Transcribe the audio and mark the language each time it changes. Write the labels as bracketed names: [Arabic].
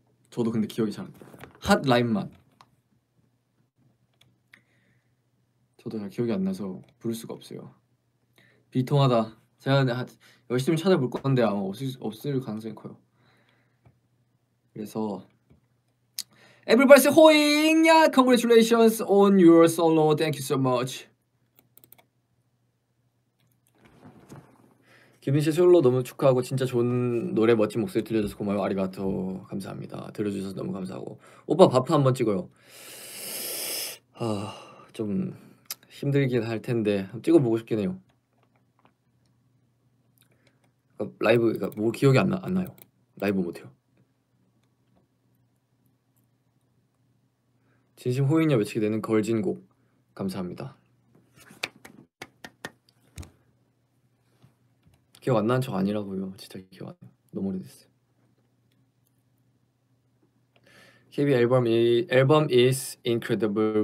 [Korean] 저도 근데 기억이 잘핫 라인만 저도 잘 기억이 안 나서 부를 수가 없어요. 비통하다. 제가 열심히 찾아볼 건데 아마 없을 가능성이 커요. 그래서 [English] Everybody's hoing! Yeah, congratulations on your solo. Thank you so much. [Korean] 규빈 씨 솔로 너무 축하하고 진짜 좋은 노래 멋진 목소리 들려줘서 고마워요. 아리가토. 감사합니다. 들려주셔서 너무 감사하고 오빠 바프 한번 찍어요. 아, 좀 힘들긴 할 텐데 찍어보고 싶긴 해요. 라이브가 뭐 기억이 안 나요. 라이브 못해요. 진심 호인이 외치게 되는 걸진곡 감사합니다. 기억 안 나는 척 아니라고요. 진짜 기억 안 나요. 너무 오래됐어요. [English] KB 앨범 is incredible.